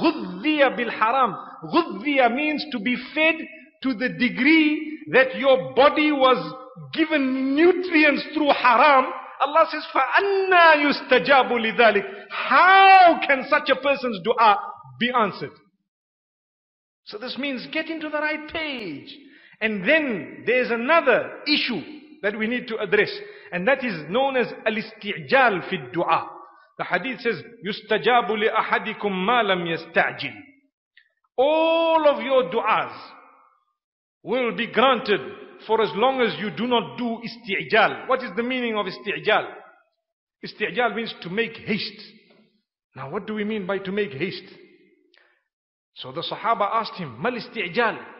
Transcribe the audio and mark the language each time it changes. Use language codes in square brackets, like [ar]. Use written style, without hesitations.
[en] Ghudhiya bil haram. Ghudhiya means to be fed to the degree that your body was given nutrients through haram. Allah says, [ar] فَأَنَّا يُسْتَجَابُ لِذَلِكَ. [en] How can such a person's dua be answered? So this means get into the right page. And then there's another issue that we need to address. And that is known as [ar] الْإِسْتِعْجَالِ فِي الدُّعَى. [en] The hadith says, [ar] يُسْتَجَابُ لِأَحَدِكُمْ مَا لَمْ يَسْتَعْجِلِ. [en] All of your du'as will be granted for as long as you do not do isti'jal. What is the meaning of isti'jal? Isti'jal means to make haste. Now what do we mean by to make haste? So the sahaba asked him, [ar] mal isti'jal?